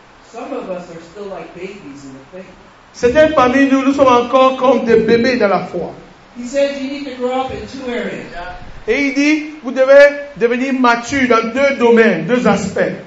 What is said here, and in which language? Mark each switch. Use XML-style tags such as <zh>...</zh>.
<en>Some of us are still like babies in the faith.</en> <fr>Certains parmi nous, nous sommes encore comme des bébés dans la foi.</fr> <en>He says you need to grow up in two areas.</en> <fr>Et il dit, vous devez devenir mature dans deux domaines, deux aspects.</fr>